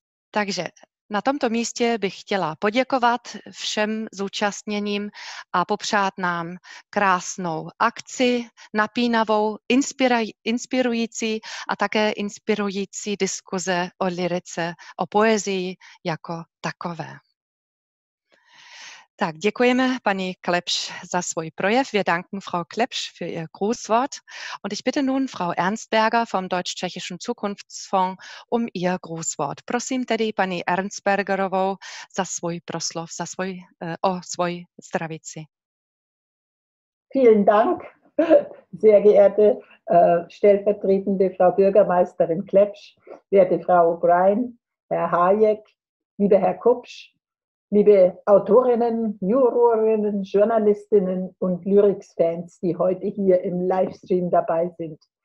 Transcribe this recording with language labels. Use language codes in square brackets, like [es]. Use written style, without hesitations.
[cs] Takže na tomto místě bych chtěla poděkovat všem zúčastněným a popřát nám krásnou akci, napínavou, inspirující a také inspirující diskuze o lyrice, o poezii jako takové. Tak, děkujeme paní Klepsch za svůj projev. [de] Wir danken Frau Klepsch für ihr Grußwort. Und ich bitte nun Frau Erzberger vom Deutsch-Tschechischen Zukunftsfonds um ihr Grußwort. [cs] Prosím tedy paní Erzbergerovou za svůj proslov, za svůj, o svůj zdravici. [de] Vielen Dank, sehr geehrte stellvertretende Frau Bürgermeisterin Klepsch, werte Frau O'Brien, Herr Hayek, lieber Herr Kupsch, liebe Autorinnen, Jurorinnen, Journalistinnen und Lyrics-Fans, die heute hier im Livestream dabei sind.